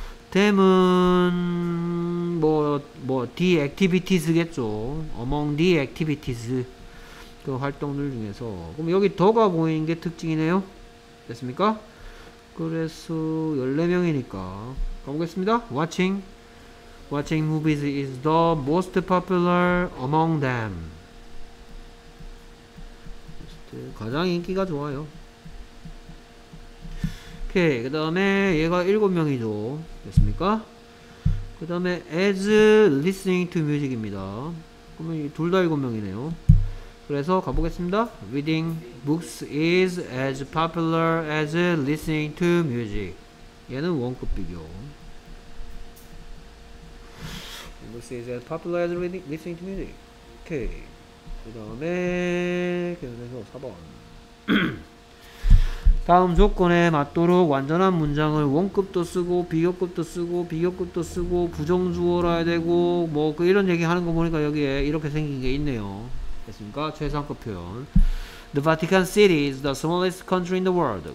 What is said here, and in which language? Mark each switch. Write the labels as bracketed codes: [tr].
[ko] them은 뭐뭐 the activities겠죠. [en] among the activities [ko] 그 활동들 중에서. 그럼 여기 더가 보이는 게 특징이네요. 됐습니까? 그래서 14명이니까 가보겠습니다. [en] watching movies is the most popular among them. [ko] 가장 인기가 좋아요. 오케이. 그 다음에 얘가 7명이죠. 됐습니까? 그 다음에 [en] as listening to music [ko] 입니다. 그러면 둘 다 7명이네요. 그래서 가보겠습니다. [en] reading books is as popular as listening to music. [ko] 얘는 원급 비교. [en] books is as popular as listening to music. [ko] 오케이. 그 다음에 계속해서 4번 다음 조건에 맞도록 완전한 문장을 원급도 쓰고 비교급도 쓰고 비교급도 쓰고 부정주어라 해야 되고 뭐 그 이런 얘기 하는 거 보니까 여기에 이렇게 생긴 게 있네요. 됐습니까? 최상급 표현. [en] The Vatican City is the smallest country in the world.